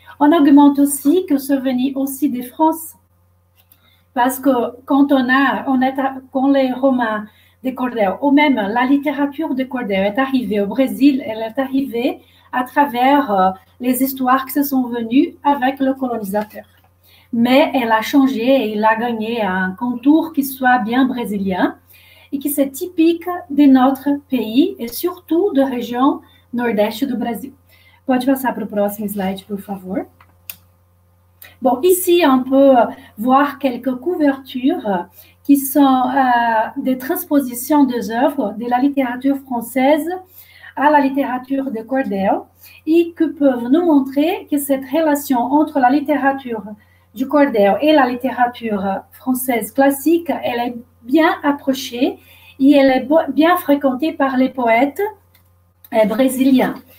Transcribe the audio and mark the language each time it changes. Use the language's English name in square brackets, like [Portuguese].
[French] On augmente aussi que ce venu aussi de France, parce que quand quand les romans de Cordel, ou même la littérature de Cordel est arrivée au Brésil, elle est arrivée à travers les histoires qui se sont venues avec le colonisateur. Mais elle a changé et il a gagné un contour qui soit bien brésilien et qui est typique de notre pays et surtout de région nord-est du Brésil. [Portuguese] Pode passar para o próximo slide, por favor. [French] Bon, ici, on peut voir quelques couvertures qui sont des transpositions des œuvres de la littérature française à la littérature de Cordel et qui peuvent nous montrer que cette relation entre la littérature du Cordel et la littérature française classique, elle est bien approchée et elle est bien fréquentée par les poètes brésiliens.